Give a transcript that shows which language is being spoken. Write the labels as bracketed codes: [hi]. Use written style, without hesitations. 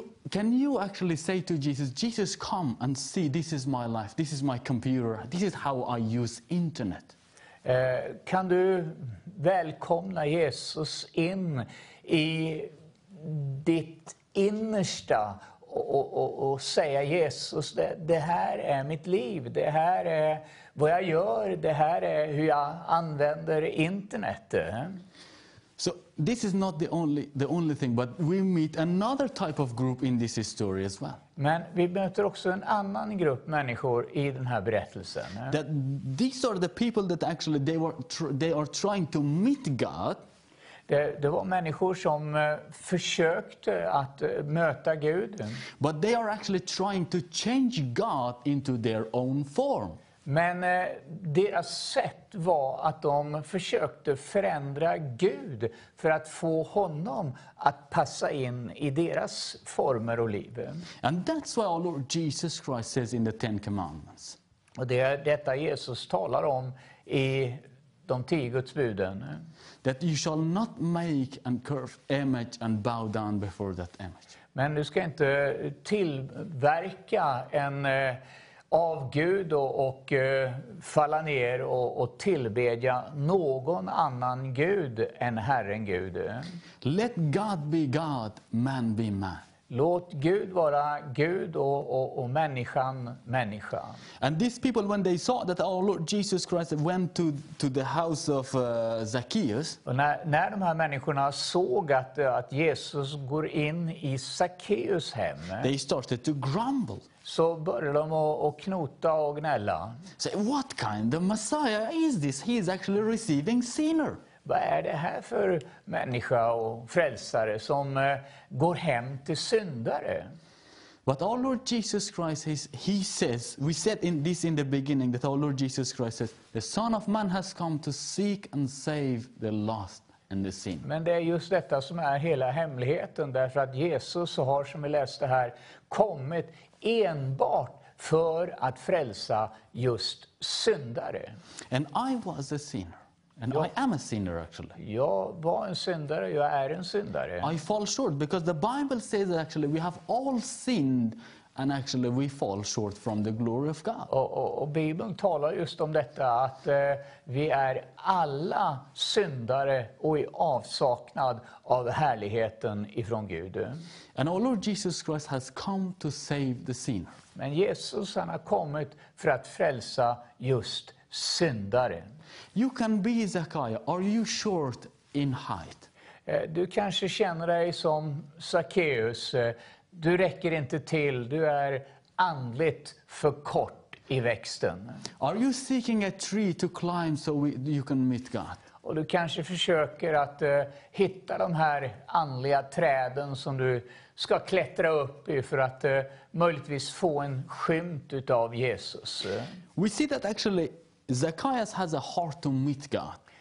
[en] Can you actually say to Jesus, come and see, this is my life, this is my computer, this is how I use internet. [sv] Kan du välkomna Jesus in i ditt innersta och säga Jesus, det här är mitt liv, det här är vad jag gör, det här är hur jag använder internet. [en] So this is not the only thing, but we meet another type of group in this story as well. [sv] Men vi möter också en annan grupp människor i den här berättelsen. [en] That these are the people that actually they are trying to meet God. [sv] Det var människor som försökte att möta Gud. [en] But they are actually trying to change God into their own form. [sv] Men deras sätt var att de försökte förändra Gud för att få honom att passa in i deras former och liv. [en] And that's why our Lord Jesus Christ says in the Ten Commandments. [sv] Och det är detta Jesus talar om i de 10 Guds buden. [en] That you shall not make a carved image and bow down before that image. [sv] Men du ska inte tillverka en av Gud och falla ner och tillbedja någon annan Gud än Herren Gud. [en] Let God be God, man be man. [sv] Låt Gud vara Gud och människan människa. [en] And these people, when they saw that our Lord Jesus Christ went to the house of Zacchaeus. [sv] Och när de här människorna såg att Jesus går in i Zacchaeus hem. [en] They started to grumble. [sv] Så började de att knota och gnälla. [en] Say, what kind of Messiah is this? He is actually receiving sinner. [sv] Vad är det här för människa och frälsare som går hem till syndare? [en] But our Lord Jesus Christ, he says, we said in this in the beginning, that our Lord Jesus Christ says, the Son of Man has come to seek and save the lost and the sin. [sv] Men det är just detta som är hela hemligheten, därför att Jesus har, som vi läste här, kommit enbart för att frälsa just syndare. [en] And I was a sinner. And I am a sinner actually. [sv] Jag var en syndare, jag är en syndare. [en] I fall short because the Bible says that actually we have all sinned and actually we fall short from the glory of God. [sv] Och Bibeln talar just om detta att vi är alla syndare och i avsaknad av härligheten ifrån Gud. [en] And our Lord Jesus Christ has come to save the sinner. [sv] Men Jesus, han har kommit för att frälsa just syndare. [en] You can be Zacchaeus. Are you short in height? [sv] Du kanske känner dig som Zacchaeus. Du räcker inte till. Du är andligt för kort i växten. [en] Are you seeking a tree to climb so you can meet God? [sv] Och du kanske försöker att hitta de här andliga träden som du ska klättra upp i för att möjligtvis få en skymt utav Jesus. [en] We see that actually Zacchaeus has a heart to meet God.